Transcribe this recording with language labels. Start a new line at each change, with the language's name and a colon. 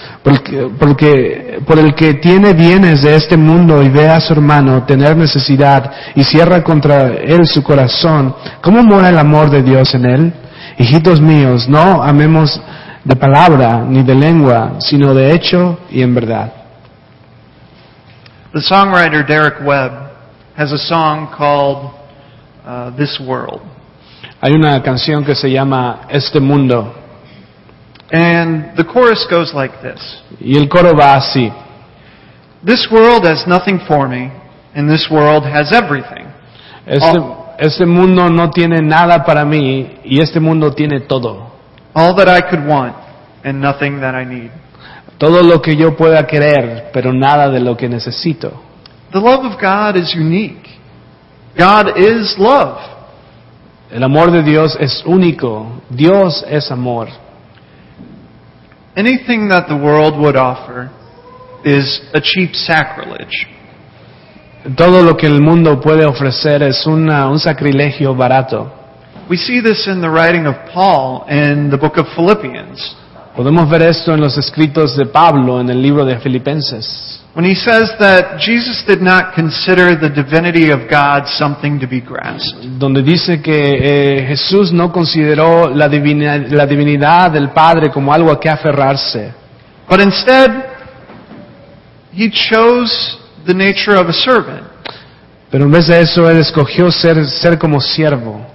Spanish: Por el que tiene bienes de este mundo y ve a su hermano tener necesidad y cierra contra él su corazón, ¿cómo mora el amor de Dios en él? Hijitos míos, no amemos de palabra ni de lengua, sino de hecho y en verdad.
English: The songwriter Derek Webb has a song called This World.
Spanish: Hay una canción que se llama Este Mundo.
English: And the chorus goes like this.
Spanish: Y el coro va así.
English: This world has nothing for me, and this world has everything.
Spanish: Este mundo no tiene nada para mí, y este mundo tiene todo.
English: All that I could want, and nothing that I need.
Spanish: Todo lo que yo pueda querer, pero nada de lo que necesito.
English: The love of God is unique. God is love.
Spanish: El amor de Dios es único. Dios es amor.
English: Anything that the world would offer is a cheap sacrilege.
Spanish: Todo lo que el mundo puede ofrecer es un sacrilegio barato.
English: We see this in the writing of Paul in the book of Philippians.
Spanish: Podemos ver esto en los escritos de Pablo en el libro de Filipenses.
English: When he says that Jesus did not consider the divinity of God something to be grasped.
Spanish: Donde dice que Jesús no consideró la divinidad del Padre como algo a que aferrarse.
English: But instead, he chose the nature of a servant.
Spanish: Pero en vez de eso, él escogió ser como siervo.